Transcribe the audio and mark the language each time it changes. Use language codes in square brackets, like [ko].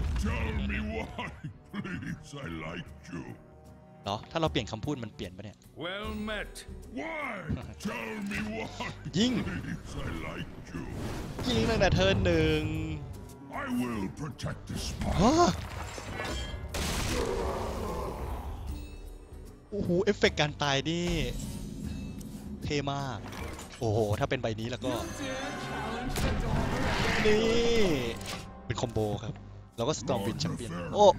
[en] Tell me why, please, I like you. [th] เหรอถ้าเราเปลี่ยนคำพูดมันเปลี่ยนป่ะเนี่ย [en] Well met. Why? Tell me why, please, I like you. [th] ยิงตั้งแต่เทิร์น1 [en] I will protect this spot. [th] โอ้โหเอฟเฟกต์การตายนี่เท่มากโอ้โหถ้าเป็นใบนี้แล้วก็นี่เป็นคอมโบครับแล้วก็สตอร์มวินแชมเปี้ยนโ